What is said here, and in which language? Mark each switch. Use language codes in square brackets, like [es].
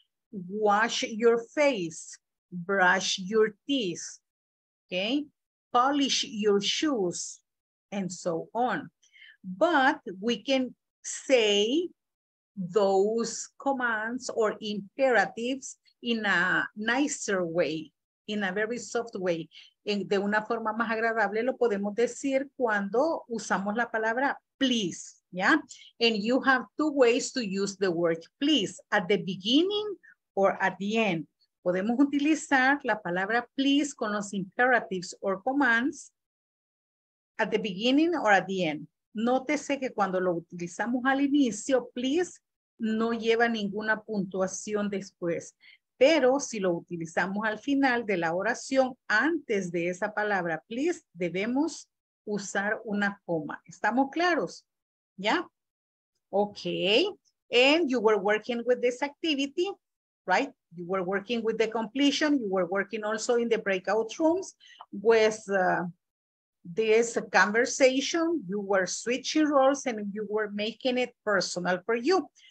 [en] Wash your face, brush your teeth, okay? Polish your shoes, and so on. But we can say those commands or imperatives in a nicer way, in a very soft way. [es] De una forma más agradable lo podemos decir cuando usamos la palabra please, ¿ya? [en] And you have two ways to use the word please, at the beginning or at the end. [es] Podemos utilizar la palabra please con los [en] imperatives or commands at the beginning or at the end. [es] Nótese que cuando lo utilizamos al inicio, please, no lleva ninguna puntuación después. Pero si lo utilizamos al final de la oración, antes de esa palabra, please, debemos usar una coma. ¿Estamos claros? ¿Ya? Okay. [en] And you were working with this activity, right? You were working with the completion. You were working also in the breakout rooms with this conversation. You were switching roles and you were making it personal for you.